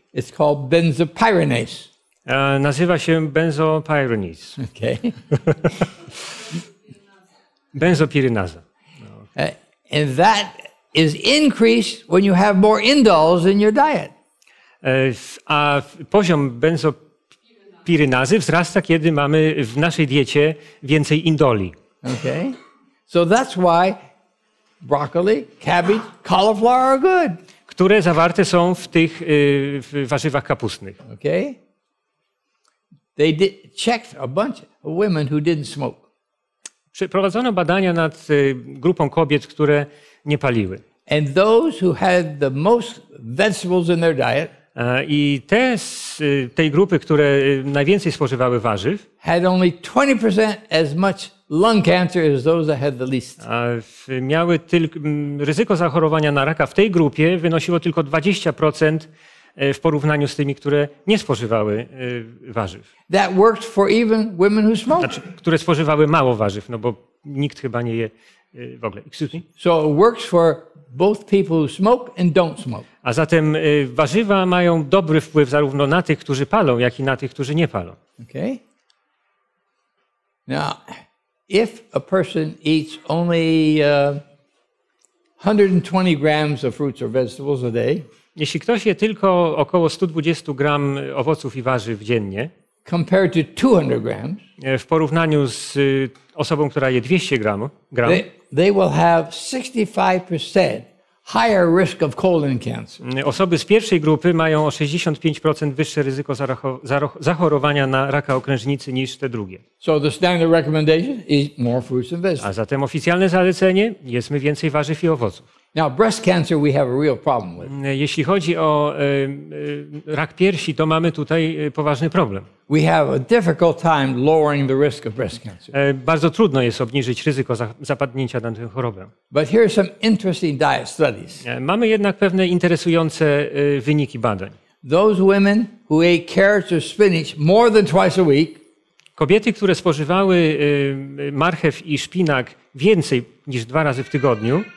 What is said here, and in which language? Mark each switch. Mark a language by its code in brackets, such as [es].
[en] It's called benzopyrenase. [pl] Nazywa się benzopyrenase. [en] Okay. [pl] Benzopirenaza. [en] And that is increased when you have more indoles in your diet. [pl] A poziom benzopirenazy wzrasta, kiedy mamy w naszej diecie więcej indoli. [en] Okay. So that's why broccoli, cabbage, cauliflower are good. [pl] Które zawarte są w tych w warzywach kapustnych. [en] Okay. They checked a bunch of women who didn't smoke. [pl] Przeprowadzono badania nad grupą kobiet, które nie paliły. [en] And those who had the most vegetables in their diet, [pl] I te z tej grupy, które najwięcej spożywały warzyw, [en] had only 20% as much lung cancer as those that had the least. [pl] Miały tylko ryzyko zachorowania na raka w tej grupie wynosiło tylko 20% w porównaniu z tymi, które nie spożywały warzyw. [en] That worked for even women who smoked. [pl] Znaczy, które spożywały mało warzyw, no bo nikt chyba nie je w ogóle. [en] Excuse me. So it works for both people who smoke and don't smoke. [pl] A zatem warzywa mają dobry wpływ zarówno na tych, którzy palą, jak i na tych, którzy nie palą. [en] Okay. Now, if a person eats only 120 grams of fruits or vegetables a day, [pl] jeśli ktoś je tylko około 120 gram owoców i warzyw dziennie, [en] compared to 200 grams, [pl] w porównaniu z osobą, która je 200 gram, [en] they will have 65% higher risk of colon cancer. [pl] Osoby z pierwszej grupy mają o 65% wyższe ryzyko zachorowania na raka okrężnicy niż te drugie. [en] So the standard recommendation is more fruits and vegetables. [pl] A zatem oficjalne zalecenie: jedzmy więcej warzyw i owoców. [en] Now breast cancer we have a real problem with. [pl] Jeśli chodzi o rak piersi, to mamy tutaj poważny problem. [en] We have a difficult time lowering the risk of breast cancer. [pl] Bardzo trudno jest obniżyć ryzyko zapadnięcia na tę chorobę. [en] But here are some interesting diet studies. [pl] Mamy jednak pewne interesujące wyniki badań. [en] Those women who ate carrots or spinach more than twice a week. [pl] Kobiety, które spożywały marchew i szpinak więcej niż dwa razy w tygodniu,